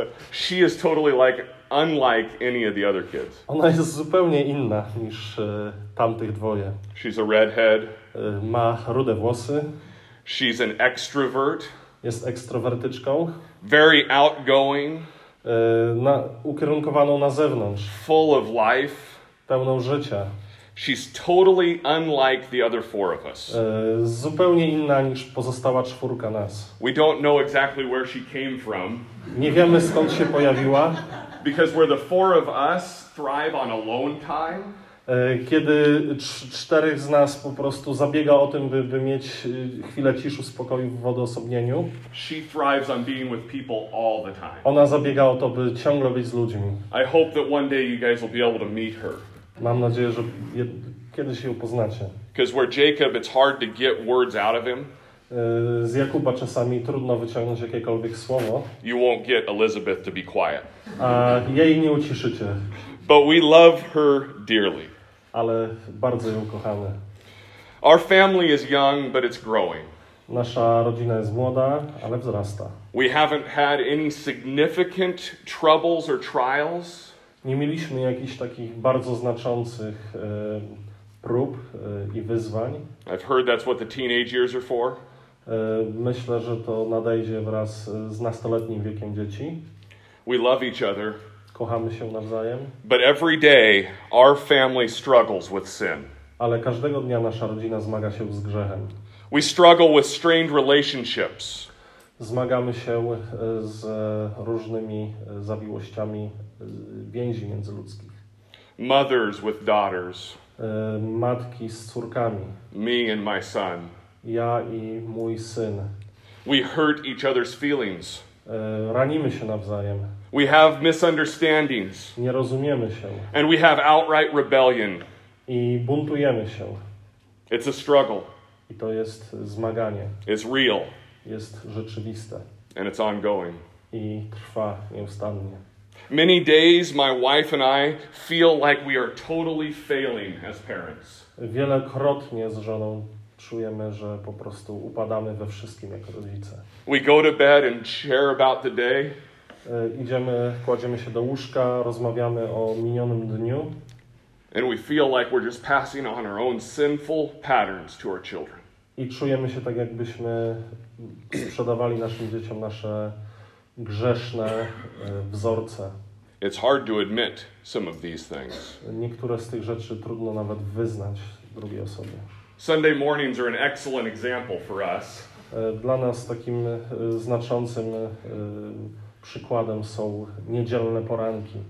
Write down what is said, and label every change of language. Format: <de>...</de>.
<en>She is totally like, unlike any of the other kids.</en> <pl>Ona jest zupełnie inna niż tamtych dwoje.</pl> <en>She's a redhead.</en> <pl>Ma rude włosy.</pl> <en>She's an extrovert.</en> <pl>Jest ekstrowertyczką.</pl> <en>Very outgoing.</en> <pl>Ukierunkowaną na zewnątrz.</pl> <en>Full of life.</en> <pl>Pełną życia.</pl> <en>She's totally unlike the other four of us.</en> <pl>Zupełnie inna niż pozostała czwórka nas.</pl> <en>We don't know exactly where she came from.</en> <pl>Nie wiemy, skąd się pojawiła.</pl> <en>Because where the four of us thrive on alone time.</en> <pl>Kiedy czterech z nas po prostu zabiega o tym, by mieć chwilę ciszy, spokoju w odosobnieniu.</pl> <en>She thrives on being with people all the time.</en> <pl>Ona zabiega o to, by ciągle być z ludźmi.</pl> <en>I hope that one day you guys will be able to meet her.</en> <pl>Mam nadzieję, że kiedyś ją poznacie.</pl> <en>Because where Jacob, it's hard to get words out of him.</en> <pl>Z Jakuba czasami trudno wyciągnąć jakiekolwiek słowo.</pl> <en>You won't get Elizabeth to be quiet.</en> <pl>A jej nie uciszycie.</pl> <en>But we love her dearly.</en> <pl>Ale bardzo ją kochamy.</pl> <en>Our family is young, but it's growing.</en> <pl>Nasza rodzina jest młoda, ale wzrasta.</pl> <en>We haven't had any significant troubles or trials.</en> <pl>Nie mieliśmy jakichś takich bardzo znaczących prób i wyzwań.</pl> <en>I've heard that's what the teenage years are for.</en> <pl>Myślę, że to nadejdzie wraz z nastoletnim wiekiem dzieci.</pl> <en>We love each other.</en> <pl>Kochamy się nawzajem.</pl> <en>But every day our family struggles with sin.</en> <pl>Ale każdego dnia nasza rodzina zmaga się z grzechem.</pl> <en>We struggle with strained relationships.</en> <pl>Zmagamy się z różnymi zawiłościami więzi międzyludzkich.</pl> <en>Mothers with daughters.</en> <pl>Matki z córkami.</pl> <en>Me and my son.</en> <pl>Ja i mój syn.</pl> <en>We hurt each other's feelings.</en> <pl>Ranimy się nawzajem.</pl> <en>We have misunderstandings.</en> <pl>Nie rozumiemy się.</pl> <en>And we have outright rebellion.</en> <pl>I buntujemy się.</pl> <en>It's a struggle.</en> <pl>I to jest zmaganie.</pl> <en>It's real.</en> <pl>Jest rzeczywiste.</pl> <en>And it's ongoing.</en> <pl>I trwa nieustannie.</pl> <en>Many days my wife and I feel like we are totally failing as parents.</en> <pl>Wielokrotnie z żoną czujemy, że po prostu upadamy we wszystkim jako rodzice.</pl> <en>We go to bed and share about the day.</en> <pl>Idziemy, kładziemy się do łóżka, rozmawiamy o minionym dniu.</pl> <en>And we feel like we're just passing on our own sinful patterns to our children.</en> <pl>I czujemy się tak, jakbyśmy sprzedawali naszym dzieciom nasze grzeszne wzorce.</pl> <en>It's hard to admit some of these things.</en> <pl>Niektóre z tych rzeczy trudno nawet wyznać drugiej osobie.</pl> <en>Sunday mornings are an excellent example for us.</en> <pl>Dla nas takim znaczącym przykładem są niedzielne poranki.</pl>